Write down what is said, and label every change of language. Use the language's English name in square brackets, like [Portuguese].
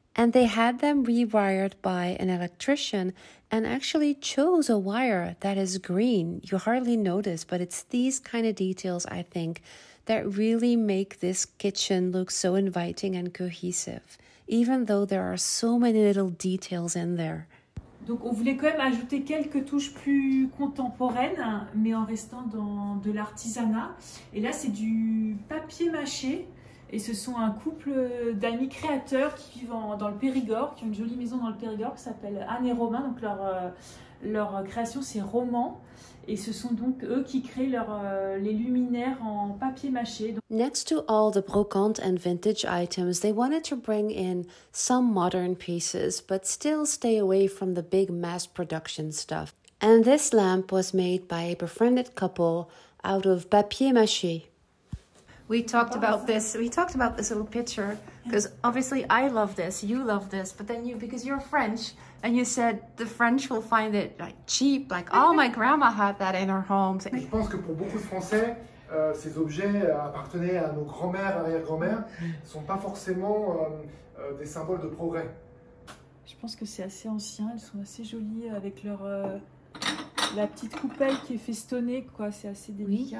[English] And they had them rewired by an electrician and actually chose a wire that is green. You hardly notice, but it's these kind of details, I think, that really make this kitchen look so inviting and cohesive, even though there are so many little details in there. [French] Donc on voulait quand même ajouter quelques touches plus contemporaines, mais en restant dans de l'artisanat. Et là, c'est du papier mâché. Et ce sont un couple d'amis créateurs qui vivent dans le Périgord, qui ont une jolie maison dans le Périgord, qui s'appelle Anne et Romain. Donc leur création, c'est Roman. Et ce sont donc eux qui créent les luminaires en papier mâché. [English] Next to all the brocante and vintage items, they wanted to bring in some modern pieces, but still stay away from the big mass production stuff. And this lamp was made by a befriended couple out of papier mâché. We talked about this little picture, because obviously I love this, you love this, but then because you're French, and you said the French will find it like cheap, like, oh, my grandma had that in her home. [French] Je pense que pour beaucoup de Français, ces objets appartenaient à nos grand-mères, arrière-grand-mères, sont pas forcément des symboles de progrès. Je pense que c'est assez ancien, elles sont assez jolies avec leur la petite coupelle qui est festonnée, quoi, c'est assez délicat.